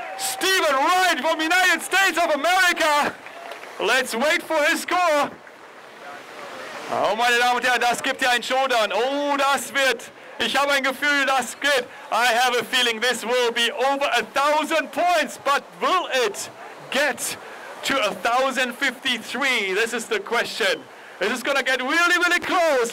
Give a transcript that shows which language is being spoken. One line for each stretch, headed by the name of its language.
English: Steven Wright from the United States of America. Let's wait for his score.
German: Oh, meine Damen und Herren, das gibt ja einen Showdown. Oh, das wird. Ich habe ein Gefühl, das geht.
English: I have a feeling this will be over 1,000 points. But will it get to 1,053? This is the question. This is going to get really, really close.